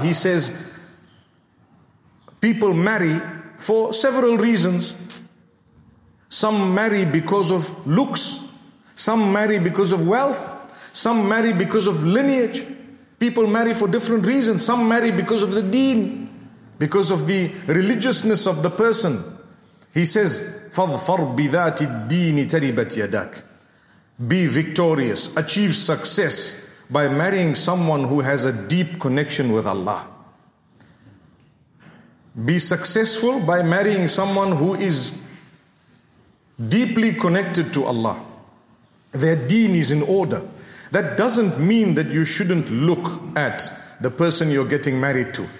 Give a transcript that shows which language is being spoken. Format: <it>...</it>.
<en>He says, people marry for several reasons. Some marry because of looks. Some marry because of wealth. Some marry because of lineage. People marry for different reasons. Some marry because of the deen, because of the religiousness of the person. He says,</en> <ar>فَظْفَرْ بِذَاتِ الدِّينِ تَرِبَتْ يَدَكْ.</ar> <en>Be victorious. Achieve success by marrying someone who has a deep connection with Allah. Be successful by marrying someone who is deeply connected to Allah. Their deen is in order. That doesn't mean that you shouldn't look at the person you're getting married to.</en>